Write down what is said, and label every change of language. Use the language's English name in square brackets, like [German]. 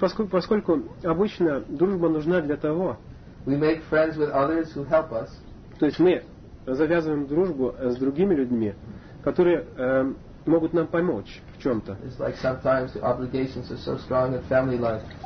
[Russian] Поскольку обычно дружба нужна для того, [English] we make friends with others who help us. [Russian] То есть мы завязываем дружбу с другими людьми, которые могут нам помочь в чем-то. [English] It's like sometimes the obligations are so strong in family life.